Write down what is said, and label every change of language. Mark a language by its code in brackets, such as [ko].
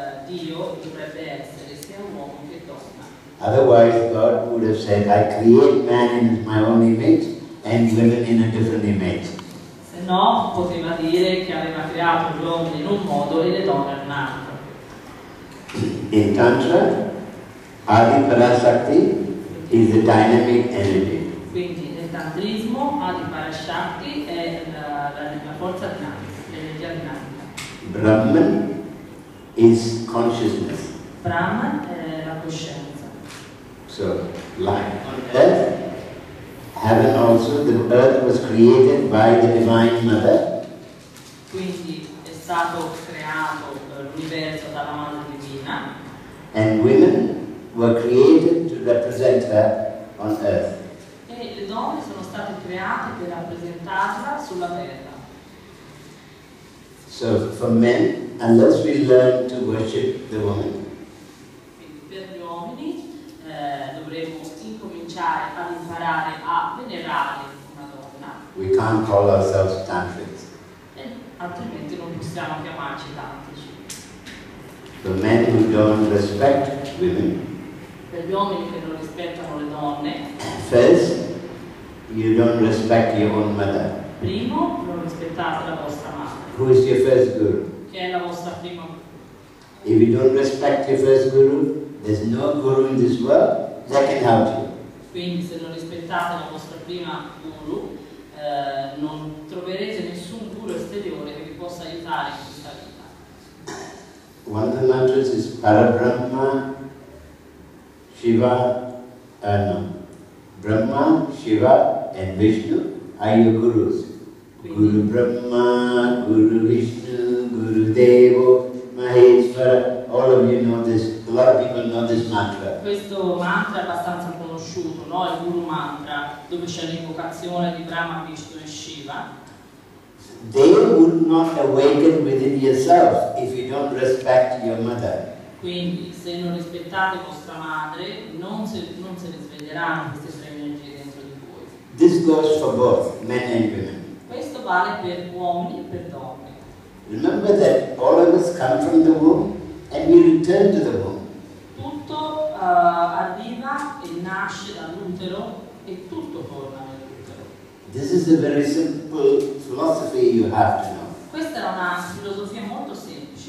[it] Dio dovrebbe essere sia un uomo che donna. [en] Otherwise God would have said, I create man in my own image and women in a different image. [it] Se no, poteva dire che aveva creato gli uomini in un modo e le donne in un altro. [en] In Tantra, Adi Parashakti is the dynamic energy. [it] Quindi nel tantrismo Adi Parashakti è la forza dinamica, l'energia dinamica. [en] Brahman is consciousness. [it] Brahman è la coscienza. [en] So life, earth, heaven also, the earth was created by the divine mother. [it] Quindi è stato creato l'universo dalla madre divina. [en] And women were created to represent her on earth. [it] E le donne sono state create per rappresentarla sulla terra. [en] So for men, unless we learn to worship the woman. [it] Quindi per gli uomini dovremo incominciare ad imparare a venerare una donna. [en] We can't call ourselves tantrics. [it] Altrimenti non possiamo chiamarci tantrici. [en] For men who don't respect women. [it] Per gli uomini che non rispettano le donne. [en] First, you don't respect your own mother. [it] Primo, non rispettate la vostra madre. [en] Who is your first guru? [it] Che è la vostra prima guru. [en] If you don't respect your first guru, there's no guru in this world that can help you. [it] Quindi se non rispettate la vostra prima guru, non troverete nessun guru esteriore che vi possa aiutare in questa vita. [en] One of the mantras is Parabrahma. Shiva, Brahma, Shiva and Vishnu are your gurus. Quindi, Guru Brahma, Guru Vishnu, Guru Devo, Maheshwara, all of you know this, a lot of people know this mantra. [it] Questo mantra è abbastanza conosciuto, no? Il Guru Mantra, dove c'è l'invocazione di Brahma, Vishnu e Shiva. [en] They would not awaken within yourself if you don't respect your mother. [it] Quindi, se non rispettate vostra madre, non se risveglieranno queste tre energie dentro di voi. [en] This goes for both, men and women. [it] Questo vale per uomini e per donne. [en] Remember that all of us come from the womb and we return to the womb. [it] Tutto arriva e nasce dall'utero e tutto torna nell'utero. [en] This is a very simple philosophy you have to know. [it] Questa è una filosofia molto semplice.